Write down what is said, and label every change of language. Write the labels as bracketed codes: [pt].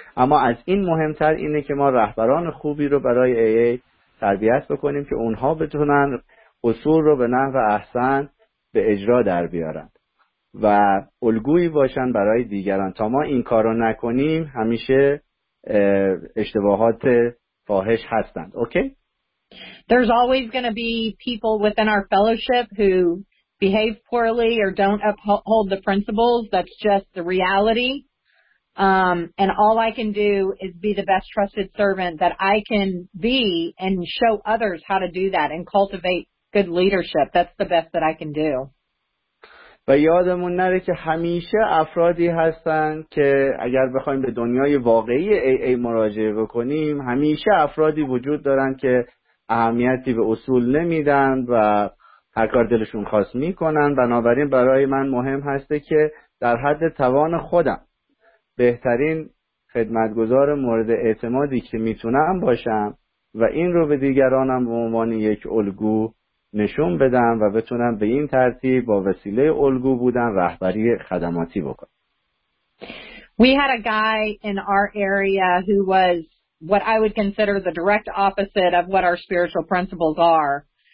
[fa] اما از این مهمتر اینه که ما رهبران خوبی رو برای AA تربیت بکنیم که اونها بتونن اصول رو به نحو احسن به اجرا در بیارن و الگویی باشن برای دیگران. تا ما این کار رو نکنیم همیشه اشتباهات فاحش هستند. اوکی؟ [en] There's always going to be people within our fellowship who behave poorly or don't uphold the principles. That's just the reality. And all I can do is be the best trusted servant that I can be and show others how to do that and cultivate good leadership. That's the best that I can do. [fa] و یادمون نره که همیشه افرادی هستن که اگر بخوایم به دنیای واقعی AA مراجعه بکنیم، همیشه افرادی وجود دارن که اهمیتی به اصول نمیدن و هر کار دلشون خواست میکنن. بنابراین برای من مهم هسته که در حد توان خودم بهترین خدمتگزار مورد اعتمادی که میتونم باشم و این رو به دیگرانم به عنوان یک الگو نشون بدم و بتونم به این ترتیب با وسیله الگو بودن رهبری خدماتی بکنم. [en] We had a guy in our area who was what I would consider the direct opposite of what our spiritual principles are.